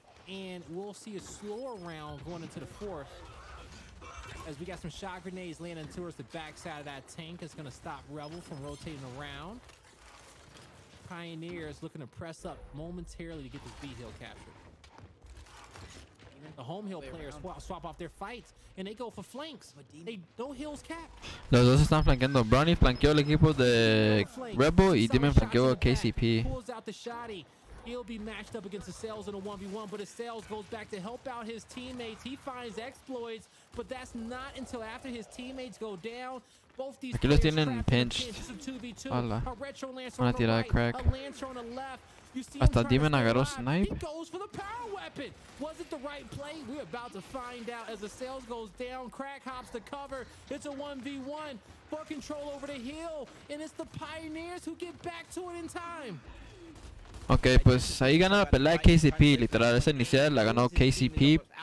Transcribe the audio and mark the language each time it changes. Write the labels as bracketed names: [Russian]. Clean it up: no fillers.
[English] And we'll see a slower round going into the fourth. As we got some shot grenades landing towards the backside of that tank, it's gonna stop Rebel from rotating around. Pioneer is looking to press up momentarily to get this B hill captured. The home hill players swap off their fights and they go for flanks. They no hills cap. [Spanish] Los dos están flanqueando. Brownie flanqueó el equipo de Rebel y Demon flanqueó a KCP. [English] Pulls out the shoddy. He'll be matched up against the Sales in a 1v1, but the Sales goes back to help out his teammates. He finds exploits, but that's not until after his teammates go down. Both these [Spanish] aquí los tienen pinched. [English] A 2v2. [Spanish] Hola. [English] A retro lancer on the right, crack. A lancer on the left. You see [Spanish] hasta Demon agarró snipe. [English] He goes for the power weapon. Was it the right play? We're about to find out as the Sales goes down. Crack hops to cover. It's a 1v1 for control over the hill, and it's the Pioneers who get back to it in time. [Spanish] Ok, pues ahí gana la pelea KCP, literal, esa inicial la ganó KCP.